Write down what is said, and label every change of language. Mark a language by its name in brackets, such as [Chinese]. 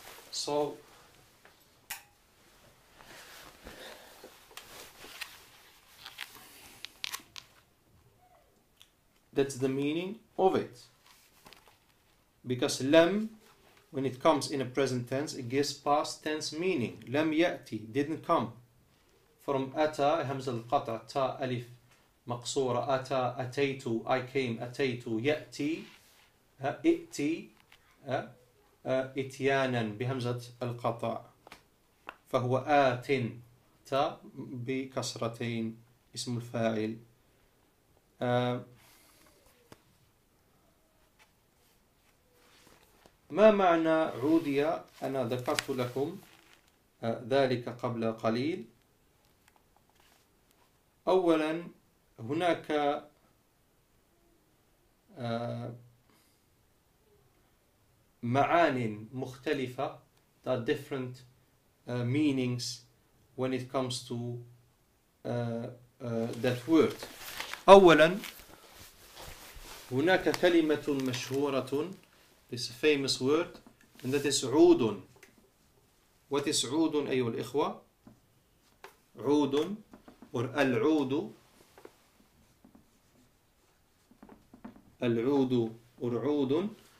[English] So that's the meaning of it. Because lam, when it comes in a present tense, it gives past tense meaning. Lam yati, didn't come. [Arabic] From أتى همزة القطع تاء ألف مقصورة أتى أتيت I came أتيت يأتي ائتي إتيانا بهمزة القطع فهو آت تاء بكسرتين اسم الفاعل ما معنى عودية أنا ذكرت لكم ذلك قبل قليل أولا هناك آه [English] معان مختلفة, there are different meanings when it comes to that word. أولا هناك كلمة مشهورة, this famous word, and that is عود. What is عود أيها الإخوة؟ عود or العود, العود or عود.